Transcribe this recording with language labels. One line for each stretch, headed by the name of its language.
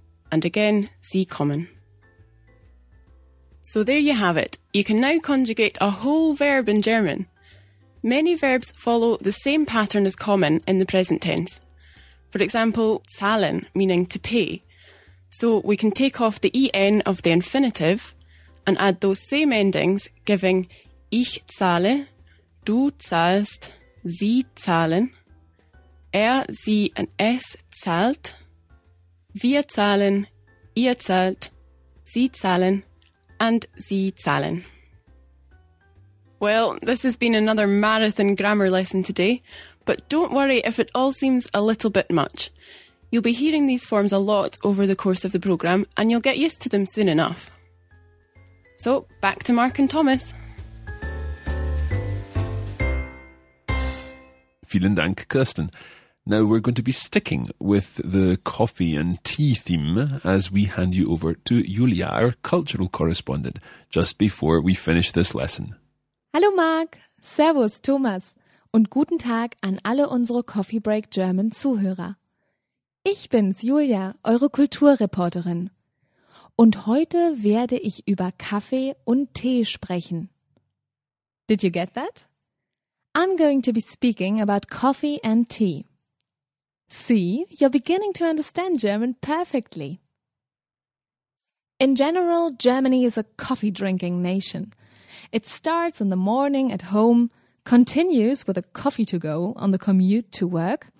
English: And again, sie kommen. So there you have it. You can now conjugate a whole verb in German. Many verbs follow the same pattern as kommen in the present tense. For example, zahlen, meaning to pay. So we can take off the en of the infinitive and add those same endings, giving ich zahle, du zahlst, sie zahlen, sie and es zahlt, wir zahlen, ihr zahlt, sie zahlen, and sie zahlen. Well, this has been another marathon grammar lesson today, but don't worry if it all seems a little bit much. You'll be hearing these forms a lot over the course of the programme, and you'll get used to them soon enough. So, back to Mark and Thomas.
German: Vielen Dank, Kirsten.
English: Now we're going to be sticking with the coffee and tea theme as we hand you over to Julia, our cultural correspondent, just before we finish this lesson.
German: Hallo Marc, Servus Thomas und guten Tag an alle unsere Coffee Break German Zuhörer. Ich bin's, Julia, eure Kulturreporterin. Und heute werde ich über Kaffee und Tee sprechen.
English: Did you get that? I'm going to be speaking about coffee and tea. See, you're beginning to understand German perfectly. In general, Germany is a coffee-drinking nation. It starts in the morning at home, continues with a coffee to go on the commute to work.